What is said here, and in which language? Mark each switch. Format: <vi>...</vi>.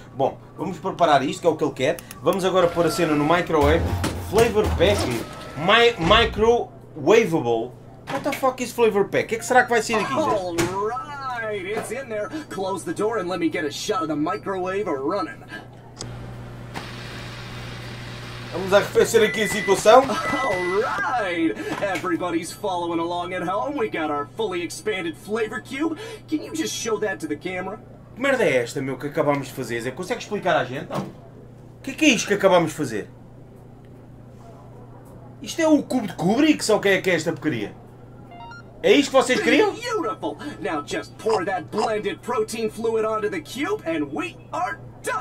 <pt>Bom, vamos preparar isto, que é o que ele quer. Vamos agora pôr a cena no microwave. Flavor pack?</pt> <en>Microwavable? What the fuck is flavor pack?</en> <pt>O que é que será que vai ser aqui, Zé?</pt> <en>All right, it's in there. Close the door and let me get a shot of the microwave running.</en> <pt>Vamos arrefecer aqui a situação.</pt> <en>Alright! Everybody's following along at home. We got our fully expanded flavor cube. Can you just show that to the camera?</en> <pt>Que merda é esta, meu, que acabámos de fazer? Zé, consegue explicar à gente? Não. Que é isto que acabámos de fazer? Isto é o cubo de Kubrick? Só que é esta porcaria? É isto que vocês queriam?</pt> <en>Beautiful! Now just pour that blended protein fluid onto the cube and we are done!</en>